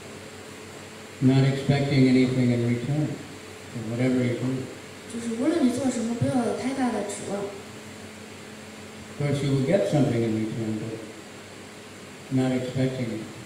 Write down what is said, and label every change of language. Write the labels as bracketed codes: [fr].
[en] Is not expecting anything in return for whatever you do. [zh] 就是无论你做什么，不要有太大的指望。 [en] Of course, you will get something in return, but not expecting it.